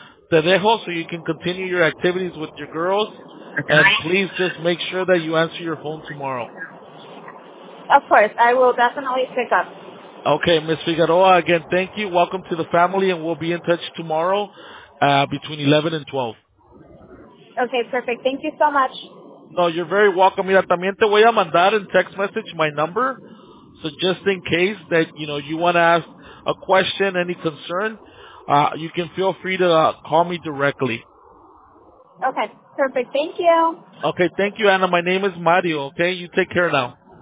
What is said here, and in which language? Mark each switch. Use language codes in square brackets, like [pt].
[es] Te dejo [en] so you can continue your activities with your girls. And please just make sure that you answer your phone tomorrow. Of course. I will definitely pick up. Okay, Ms. Figueroa, again, thank you. Welcome to the family. And we'll be in touch tomorrow between 11 and 12. Okay, perfect. Thank you so much. No, you're very welcome. [es] Mira, también te voy a mandar [en] in text message my number. So just in case that, you know, you want to ask a question, any concern, you can feel free to call me directly. Okay, perfect. Thank you. Okay, thank you, Anna. My name is Mario, okay? You take care now.